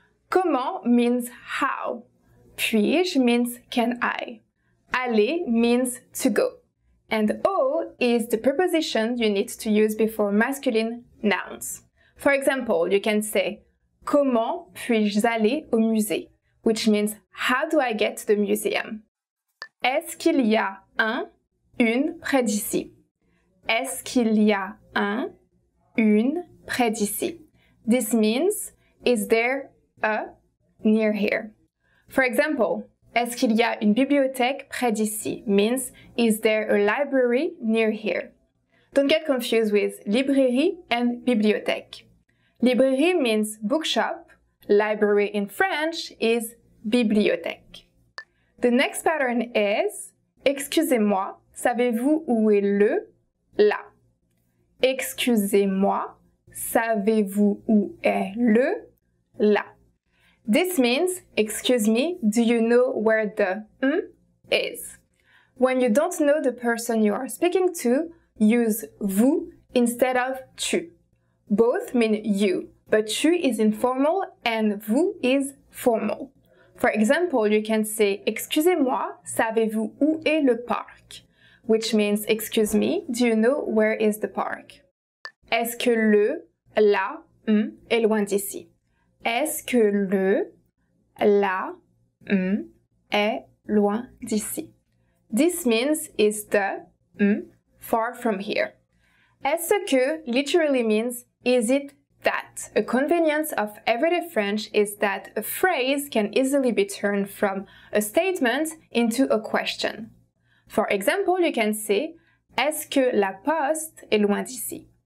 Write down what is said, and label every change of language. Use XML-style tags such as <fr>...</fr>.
<en>Comment means how. Puis-je means can I. Aller means to go. And au is the preposition you need to use before masculine nouns. For example, you can say</en> <fr>Comment puis-je aller au musée?</fr> <en>Which means, how do I get to the museum?</en> <fr>Est-ce qu'il y a une près d'ici? Est-ce qu'il y a une près d'ici?</fr> <en>This means, is there a near here? For example,</en> <fr>est-ce qu'il y a une bibliothèque près d'ici?</fr> <en>Means, is there a library near here? Don't get confused with librairie and bibliothèque. Librairie means bookshop. Library in French is bibliothèque. The next pattern is,</en> <fr>excusez-moi, savez-vous où est le la? Excusez-moi, savez-vous où est le la?</fr> <en>This means, excuse me, do you know where the is? When you don't know the person you are speaking to, use vous instead of tu. Both mean you, but tu is informal and vous is formal. For example, you can say,</en> <fr>excusez-moi, savez-vous où est le parc?</fr> <en>Which means, excuse me, do you know where is the park?</en> <fr>Est-ce que le, la, est loin d'ici? Est-ce que le, la, est loin d'ici?</fr> <en>This means, is the, far from here? Est-ce que literally means, is it that? A convenience of everyday French is that a phrase can easily be turned from a statement into a question. For example, you can say,</en> <fr>est-ce que la poste est loin d'ici?</fr>